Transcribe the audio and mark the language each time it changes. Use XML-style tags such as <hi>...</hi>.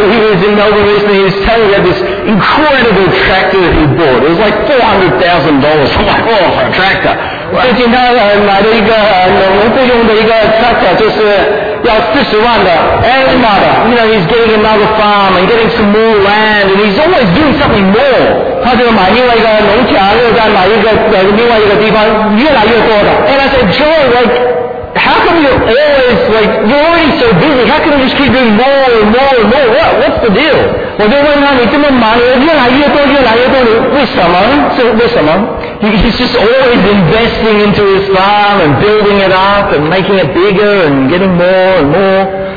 <en>He was in Melbourne recently, he was telling me about this incredible tractor that he bought. It was like $400,000. I'm like, oh, a tractor.</en> <zh>最近他买了一个农夫用的一个tractor，就是要40万的</zh> <en>animal. You know, he's getting another farm and getting some more land, and he's always doing something more.</en> <zh>他就买另外一个农田，又在买一个另外一个地方，越来越多的。</zh> <en>And I said, Joe, like, how come you're always like you're already so busy? How come you just keep doing more and more and more? What's the deal?</en> <zh>我就问他，你这么忙，越来越多，越来越多，你为什么？是为什么？</zh> <en>He's just always investing into his farm and building it up and making it bigger and getting more and more.</en>